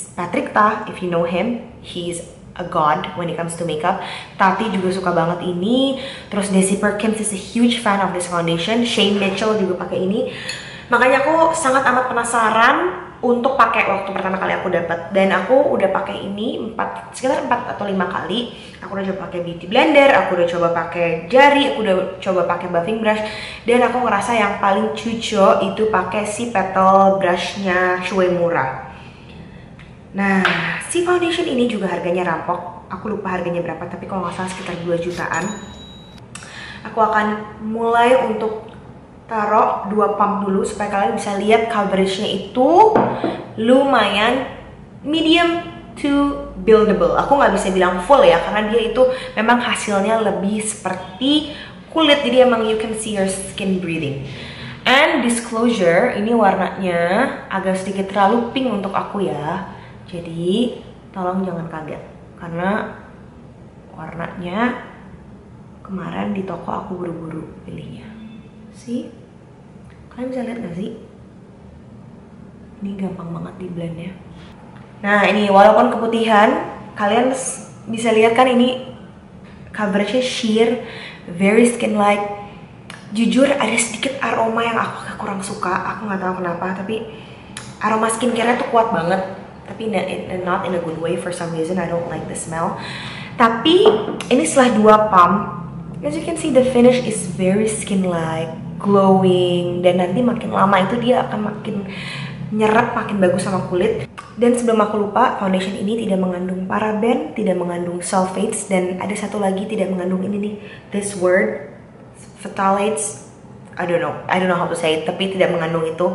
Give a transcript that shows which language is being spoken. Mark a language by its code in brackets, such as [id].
[en] Patrick Ta, if you know him, he's a god when it comes to makeup. [id] Tati juga suka banget ini. Terus [en] Desi Perkins is a huge fan of this foundation. [id] Shane Mitchell juga pakai ini. Makanya aku sangat amat penasaran untuk pakai waktu pertama kali aku dapat. Dan aku udah pakai ini sekitar 4 atau 5 kali. Aku udah coba pakai beauty blender, aku udah coba pakai jari, aku udah coba pakai buffing brush, dan aku ngerasa yang paling cucu itu pakai si petal brushnya Shuemura. Nah, si foundation ini juga harganya rampok. Aku lupa harganya berapa, tapi kalau nggak salah sekitar 2 jutaan. Aku akan mulai untuk taruh 2 pump dulu supaya kalian bisa lihat coveragenya itu lumayan [en] medium to buildable. [id] Aku nggak bisa bilang full ya, karena dia itu memang hasilnya lebih seperti kulit. Jadi emang [en] you can see your skin breathing. And disclosure, [id] ini warnanya agak sedikit terlalu pink untuk aku ya. Jadi tolong jangan kaget, karena warnanya kemarin di toko aku buru-buru pilihnya. See? Kalian bisa lihat gak sih? Ini gampang banget di blendnya. Nah ini walaupun keputihan, kalian bisa lihat kan ini coveragenya sheer, [en] very skin-like. [id] Jujur ada sedikit aroma yang aku kurang suka, aku gak tahu kenapa, tapi aroma skincare-nya tuh kuat banget. [en] Tapi not in a good way, for some reason I don't like the smell. [id] Tapi ini setelah 2 pump, [en] as you can see the finish is very skin like, glowing. [id] Dan nanti makin lama itu dia akan makin nyerap, makin bagus sama kulit. Dan sebelum aku lupa, foundation ini tidak mengandung paraben, tidak mengandung sulfates, dan ada satu lagi tidak mengandung ini nih, [en] this word, phthalates, I don't know how to say it, [id] tapi tidak mengandung itu.